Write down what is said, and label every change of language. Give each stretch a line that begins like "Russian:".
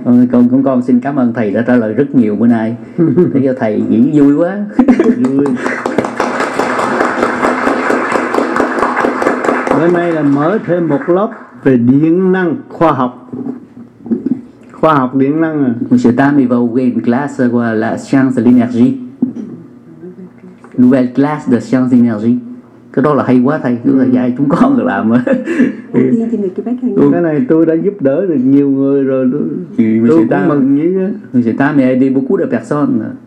Vietnamese: Con xin cảm ơn thầy đã trả lời rất nhiều bữa nay. Thế cho thầy nghĩ vui quá. Vui. Bữa nay là mở thêm một lớp về điện năng khoa học. Khoa học điện năng à.
French: M. Tam va ouvrir une classe sur la science de l'énergie. Nouvelle classe de sciences d'énergie.
Vietnamese: Cái đó là hay quá thầy, cứ là dạy chúng con rồi làm. Tôi cái này tôi đã giúp đỡ được nhiều người rồi. Tôi cũng mừng như thế. Mình sẽ ta mẹ đi bố cú đỡ bạc son.